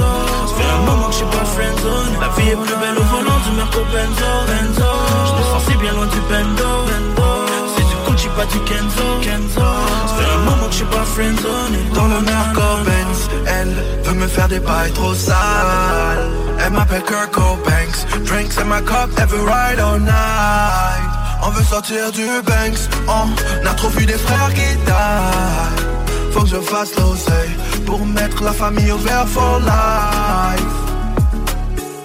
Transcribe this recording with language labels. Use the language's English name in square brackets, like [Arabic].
[French] Ça fait un moment que j'suis pas friendzone. La vie est plus belle au volant du Merco Benzo, Benzo. J'me sens si bien loin du bendo, bendo. Si du coup j'suis pas du Kenzo, Kenzo. Ça fait un moment que j'suis pas friendzone. Dans le Merco Benz, elle veut me faire des bails trop sales. Elle m'appelle Kirk Banks. [English] Drinks in my cup every ride all night. [French] On veut sortir du Banks. On a trop vu des frères qui taillent. Faut que je fasse l'oseille pour mettre la famille au vert [English] for life.